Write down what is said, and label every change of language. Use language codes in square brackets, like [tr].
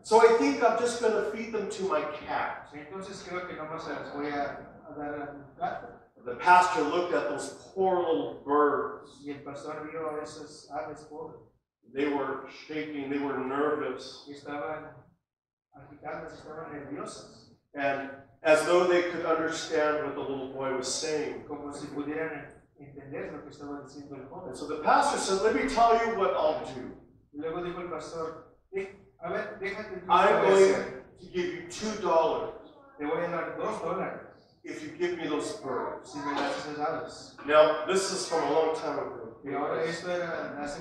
[en] So I think I'm just going to feed them to my cat. [es] Entonces creo que no más les voy a dar a mi gato. [en] The pastor looked at those poor little birds. [es] Y el pastor vio a esas aves pobres. [en] They were shaking, they were nervous. [es] Y estaban agitadas, estaban nerviosas. [en] And as though they could understand what the little boy was saying. [es] Como si pudieran entender lo que estaba diciendo el joven. [en] So the pastor said, let me tell you what I'll do. [es] Luego dijo el pastor, a ver, déjate. [en] I'm going to give you $2. [es] Te voy a dar $2. [en] if you give me those pearls. Now, this is from a long time ago. [es] Y ahora esto era hace